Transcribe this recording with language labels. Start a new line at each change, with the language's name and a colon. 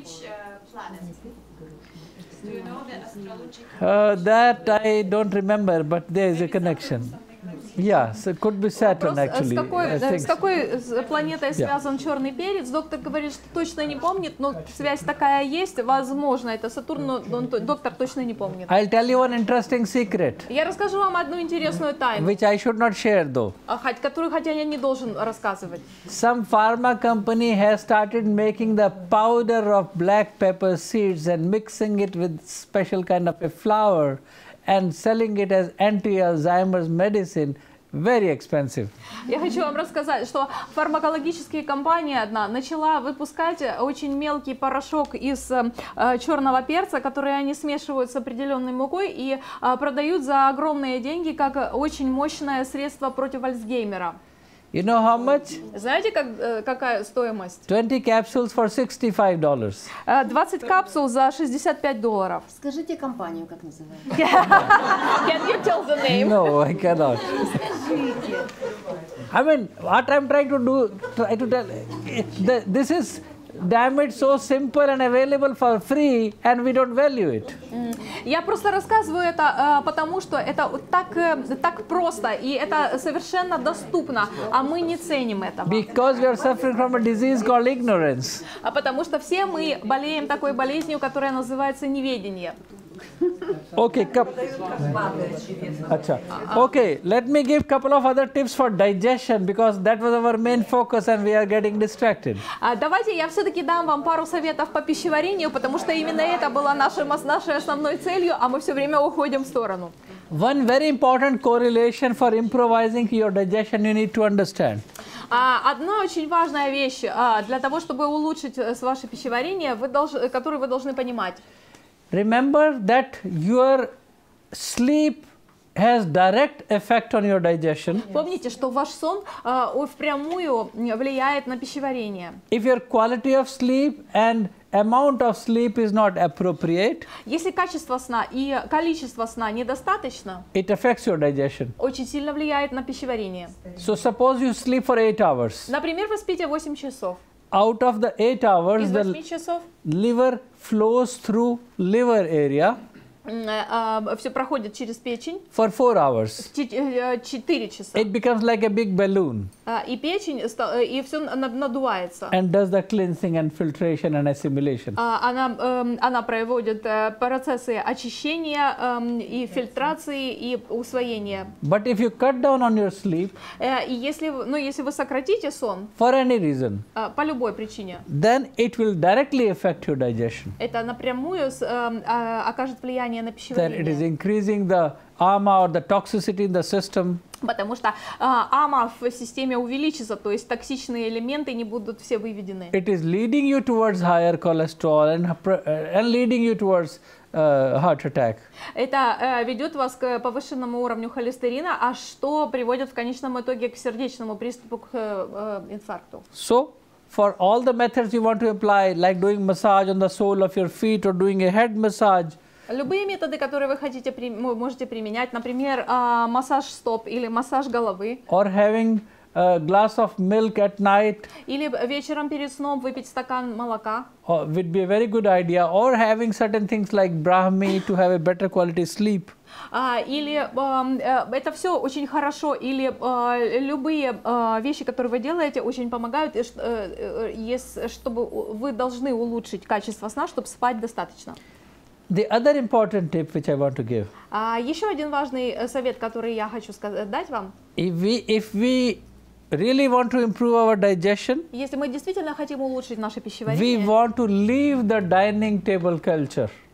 English: Do you think black pepper communicates with which planet? Do you know the astrology? That I don't remember, but there is a connection. Yeah, so it could be Saturn actually.
Russian: С какой планетой связан черный перец? Доктор говорит, что точно не помнит, но связь такая есть, возможно, это Сатурн, но доктор точно не помнит.
English: I'll tell you one interesting secret.
Russian: Я расскажу вам одну интересную тайну.
English: Which I should not share though.
Russian: Хотя я не должен рассказывать.
English: Some pharma company has started making the powder of black pepper seeds and mixing it with special kind of a flour. And selling it as anti-Alzheimer's medicine, very expensive.
Russian: Я хочу вам рассказать, что фармакологическая компания одна начала выпускать очень мелкий порошок из черного перца, который они смешивают с определенной мукой и продают за огромные деньги как очень мощное средство против Альцгеймера.
English: You know how much?
Russian: Знаете, какая стоимость?
English: 20 capsules for $65.
Russian: 20 капсул за $65. Скажите компанию, как называется.
English: Can you tell the name? No, I cannot.
Russian: Скажите.
English: I mean, what I'm trying to do, try to tell, this is damn it, so simple and available for free, and we don't value it.
Russian: Я просто рассказываю это, потому что это так просто, и это совершенно доступно, а мы не ценим это.
English: Because we are suffering from a disease called ignorance.
Russian: А потому что все мы болеем такой болезнью, которая называется неведение.
English: Okay, okay, let me give couple of other tips for digestion, because that was our main focus and we are getting distracted.
Russian: Давайте я все-таки дам вам пару советов по пищеварению, потому что именно это было нашей основной целью, а мы все время уходим в сторону.
English: One very important correlation for improvising your digestion you need to understand.
Russian: Одна очень важная вещь для того, чтобы улучшить ваше пищеварение, которую вы должны понимать.
English: Remember that your sleep has direct effect on your digestion.
Russian: Помните, что ваш сон впрямую влияет на пищеварение.
English: If your quality of sleep and amount of sleep is not appropriate,
Russian: если качество сна и количество сна недостаточно,
English: it affects your digestion.
Russian: Очень сильно влияет на пищеварение.
English: So suppose you sleep for 8 hours.
Russian: Например, вы спите 8 часов.
English: Out of the 8 hours,
Russian: из 8 часов,
English: the liver flows through liver area.
Russian: Все проходит через печень.
English: For 4 hours.
Russian: 4 часа.
English: It becomes like a big balloon.
Russian: И печень и все надувается.
English: And does the cleansing and filtration and assimilation.
Russian: Она проводит процессы очищения и фильтрации и усвоения.
English: But if you cut down on your sleep.
Russian: Если вы сократите сон.
English: For any reason.
Russian: По любой причине.
English: Then it will directly affect your digestion.
Russian: Это напрямую окажет влияние.
English: Then it is increasing the ama or the toxicity in the system.
Russian: Потому что ама в системе увеличится, то есть токсичные элементы не будут все выведены.
English: It is leading you towards higher cholesterol and leading you towards heart attack.
Russian: Это ведет вас к повышенному уровню холестерина, а что приводит в конечном итоге к сердечному приступу, к инфаркту.
English: So, for all the methods you want to apply, like doing massage on the sole of your feet or doing a head massage.
Russian: Любые методы, которые вы хотите, можете применять, например, массаж стоп или массаж головы.
English: Or having a glass of milk at night.
Russian: Или вечером перед сном выпить стакан молока.
English: Would be a very good idea. Or having certain things like Brahmi to have a better quality sleep.
Russian: Это все очень хорошо, или любые вещи, которые вы делаете, очень помогают, чтобы вы должны улучшить качество сна, чтобы спать достаточно.
English: The other important tip which I want to give.
Russian: Еще один важный совет, который я хочу дать вам.
English: If we really want to improve our digestion.
Russian: Если мы действительно хотим улучшить наше пищеварение.
English: We want to leave the dining table culture.